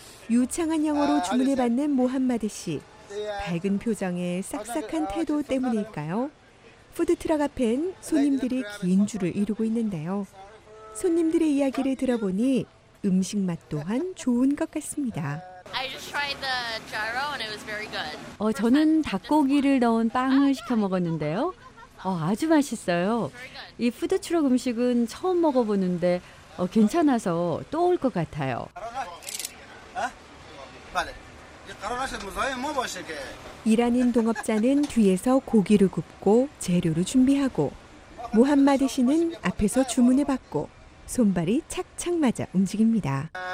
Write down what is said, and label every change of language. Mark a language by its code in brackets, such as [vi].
[ko] 유창한 영어로 주문을 받는 모하마드 씨. 밝은 표정에 싹싹한 태도 때문일까요? 푸드트럭 앞엔 손님들이 긴 줄을 이루고 있는데요. 손님들의 이야기를 들어보니 음식 맛 또한 좋은 것 같습니다. [en] I just tried the gyro and it was very good. [ko] 저는 닭고기를 넣은 빵을 시켜 먹었는데요. 아주 맛있어요. 이 푸드트럭 음식은 처음 먹어보는데 괜찮아서 또 올 것 같아요. 이란인 동업자는 뒤에서 고기를 굽고 재료를 준비하고 무함마드 씨는 앞에서 주문을 받고 손발이 착착 맞아 움직입니다.